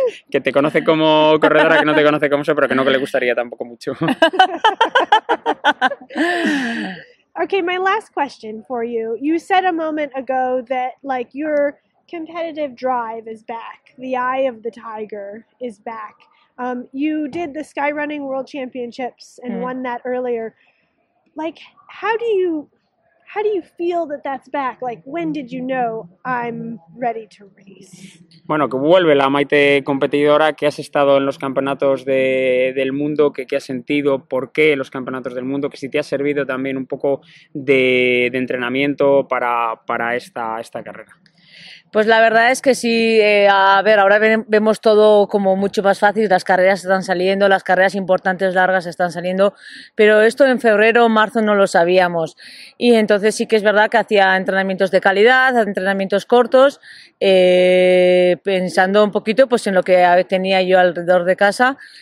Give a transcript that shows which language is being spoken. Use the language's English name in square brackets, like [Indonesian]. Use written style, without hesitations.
[Spanish] Que te conoce como corredora, que no te conoce como eso, pero que no le gustaría tampoco mucho. [English] Okay, my last question for you. You said a moment ago that, like, your competitive drive is back. The eye of the tiger is back. You did the Skyrunning World Championships and won that earlier. Like, how do you feel that that's back? Like, when did you know I'm ready to race? [Spanish] Bueno, que vuelve la Maite competidora, que has estado en los campeonatos del mundo, que has sentido, por qué los campeonatos del mundo, que si te ha servido también un poco de entrenamiento para esta carrera. Pues la verdad es que sí, ahora vemos todo como mucho más fácil, las carreras están saliendo, las carreras importantes largas están saliendo, pero esto en febrero o marzo no lo sabíamos y entonces sí que es verdad que hacía entrenamientos de calidad, entrenamientos cortos, pensando un poquito pues en lo que tenía yo alrededor de casa